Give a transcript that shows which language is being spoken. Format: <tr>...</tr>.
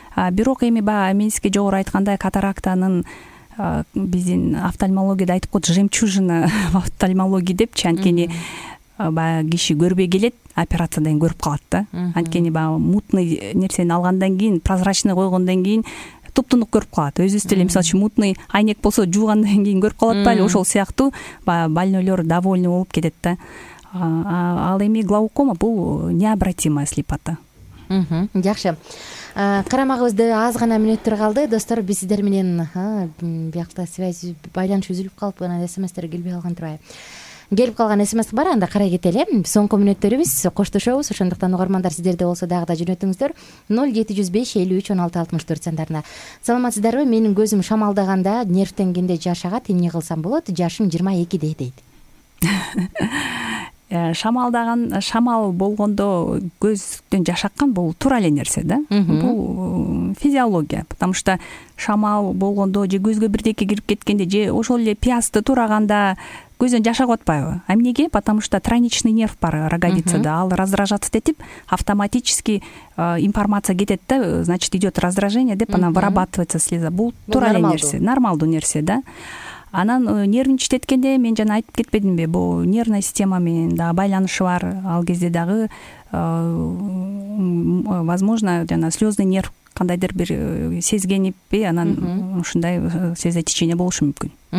<ky>Бирок эми баягы мениске жогору айткандай, катарактанын биздин офтальмологияда айтып коет</ky> <ru>жемчужина в офтальмологии</ru> <ky>депчи, анткени баягы киши көрбөй келет, операциядан кийин көрүп калат да. Анткени баягы мутный нерсени алгандан кийин, прозрачный койгондон кийин туп-тунук көрүп калат. Өзүбүз деле мисалы үчүн мутный айнек болсо жуугандан кийин көрүп калат беле, ошол сыяктуу баягы больнойлор довольный болуп кетет да. Ал эми глаукома бул</ky> <ru>необратимая слепота.</ru> <ky>Жакшы. Карамагыбызда аз гана мүнөттөр калды. Достор, биз сиздер менен биякта связь, байланыш үзүлүп калып анан смстер келбей калган турбайбы. Келип калган смс бар, анда карай кетели. Соңку мүнөттөрүбүз коштошобуз, ошондуктан угармандар сиздерде болсо дагы да жөнөтүңүздөр 0705-53-16-64 сандарына. Саламатсыздарбы, менин көзүм шамалдаганда, нервтенгенде жаш агат, эмне кылсам болот? Жашым 22 дейт. Шамалдаган, шамал болгондо көздөн жаш аккан, бул туура эле нерсе да. Бул физиология, потому что шамал болгондо же көзгө бирдеке кирип кеткенде же ошол эле пиязды тураганда көздөн жаш агып атпайбы? Эмнеге?</ky> <ru>Потому что траничный нерв</ru> <ky>бар</ky> <ru>роговицада, ал раздражаться этип автоматически информация</ru> <ky>кетет да,</ky> <ru>значит идет раздражение деп она вырабатывается слеза.</ru> <ky>Бул туура эле нерсе, нормалдуу нерсе да. Анан нервин читеткенде мен жана айтып кетпедимби, бул нервная система менен дагы байланышы бар. Ал кезде дагы возможно жана слезный нерв кандайдыр бир сезгенипи, анан ушундай сезе течение болушу мүмкүн.</ky>